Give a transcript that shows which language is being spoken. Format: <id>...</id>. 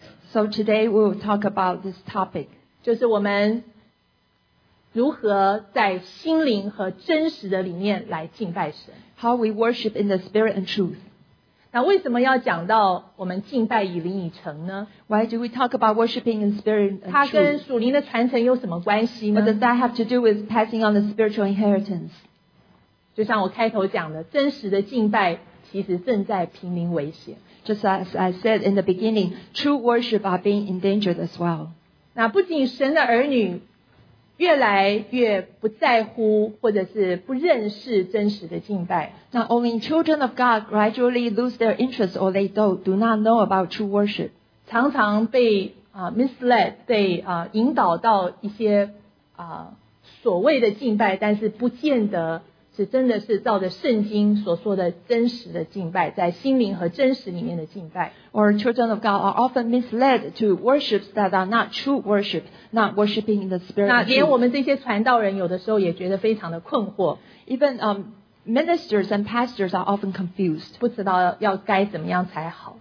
<en>So today we'll talk about this topic.</en> <zh>就是我们如何在心灵和真实的里面来敬拜神。</zh> <en>How we worship in the spirit and truth.</en> <zh>那为什么要讲到我们敬拜以灵以诚呢</zh> <en>？Why do we talk about worshiping in spirit and truth?</en> <zh>它跟属灵的传承有什么关系呢</zh> <en>？What does that have to do with passing on the spiritual inheritance?</en> <zh>就像我开头讲的，真实的敬拜其实正在濒临危险。</zh> <en>Just as I said in the beginning, true worship are being endangered as well.</en> <zh>那不仅神的儿女越来越不在乎或者是不认识真实的敬拜</zh> <en>Not only children of God gradually lose their interest or they do not know about true worship.</en> <zh>常常被misled, 被引导到一些所谓的敬拜但是不见得是真的是照着圣经所说的真实的敬拜在心灵和真实里面的敬拜</zh> <en>Or children of God are often misled to worships that are not true worship not worshiping in the spirit</en> <zh>那连我们这些传道人有的时候也觉得非常的困惑</zh> <en>Even ministers and pastors are often confused</en> <zh>不知道要该怎么样才好</zh>